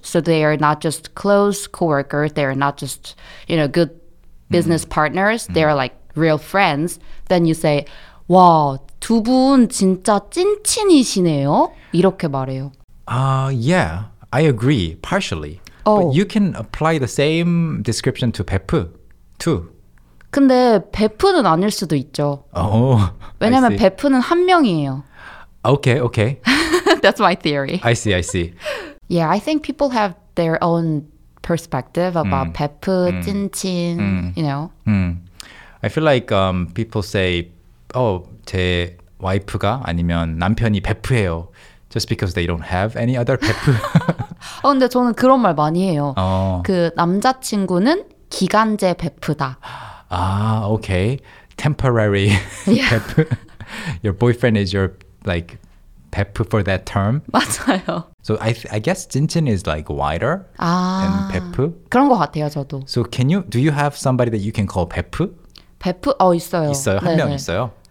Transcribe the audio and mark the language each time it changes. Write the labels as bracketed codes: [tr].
[en] So they are not just close coworkers. They are not just, you know, good business partners. Mm-hmm. They are like real friends. Then you say, [ko] 와, 두 분 진짜 찐친이시네요. 이렇게 말해요. [en] Yeah. I agree, partially. Oh. But you can apply the same description to 베프, too. [ko] 근데 베프는 아닐 수도 있죠. Oh, 왜냐면 베프는 한 명이에요. [en] Okay, okay. That's my theory. I see, I see. Yeah, I think people have their own perspective about 베프, 찐친, you know. I feel like people say, oh, [ko] 제 와이프가 아니면 남편이 베프예요. [en] Just because they don't have any other 베프. [ko] 어, 근데 저는 그런 말 많이 해요. 어. 그 남자친구는 기간제 베프다. 아, [en] okay. Temporary 베프. Your boyfriend is your, like, 베프 for that term. [ko] 맞아요. [en] So I guess 찐친 is like wider 아, than 베프. [ko] 그런 것 같아요, 저도. [en] So can you, do you have somebody that you can call 베프? [ko] 베프? 어, 있어요. 있어요? 한 명 있어요?